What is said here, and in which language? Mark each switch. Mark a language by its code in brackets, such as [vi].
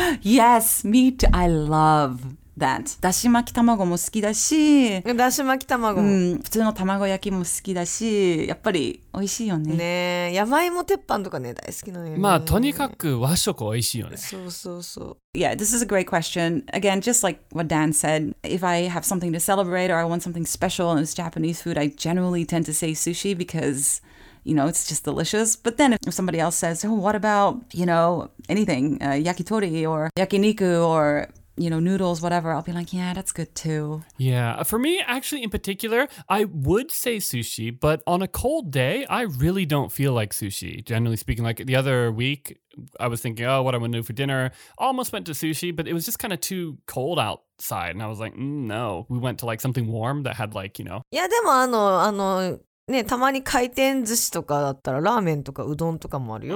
[en] Yes, meat I love. that. [ja] だし巻き卵も好きだし。だし巻き卵。うん。普通の卵焼きも好きだし、やっぱり美味しいよね。ねえ、山芋鉄板とかね、大好きなね。まあ、とにかく和食美味しいよね。そうそうそう。 [en] Yeah, this is a great question. Again, just like what Dan said, if I have something to celebrate or I want something special and it's Japanese food, I generally tend to say sushi because... You know, it's just delicious. But then if somebody else says, oh, what about, you know, anything, yakitori or yakiniku or, you know, noodles, whatever, I'll be like, yeah, that's good too. Yeah. For me, actually, in particular, I would say sushi, but on a cold day, I really don't feel like sushi. Generally speaking, like the other week, I was thinking, oh, what I'm going to do for dinner. Almost went to sushi, but it was just kind of too cold out. Side and I was like, no, we went to like something warm that had like, you know. Yeah, [ja] でもあのね、たまに回転寿司とかだったらラーメンとかうどんとかもあるよ。